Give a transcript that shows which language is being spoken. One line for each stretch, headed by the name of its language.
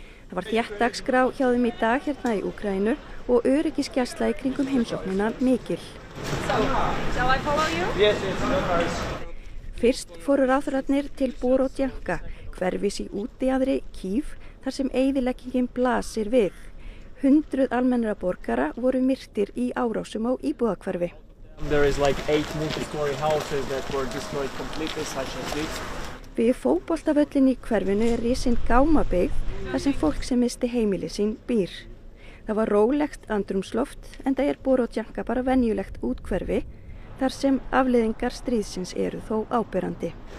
Icelandic: Það var þétt dagskrá hjá þeim í dag hérna í Úkraínu og öryggisgæsla í kringum heimsóknina mikil. Fyrst fóru ráðherrarnir til Borodjanka, hverfis í útjaðri Kýf, þar sem eyðileggingin blasir við. 100 almennra borgara voru myrtir í árásum á íbúðahverfi.
English: There is like 8 multi-story houses that were destroyed completely such as this.
Icelandic: Við fótboltavöllin í hverfinu er risin gámabyggð þar sem fólk sem misti heimili sín býr. Það var rólegt andrumsloft en það er Borodjanka bara venjulegt úthverfi þar sem afleiðingar stríðsins eru þó áberandi.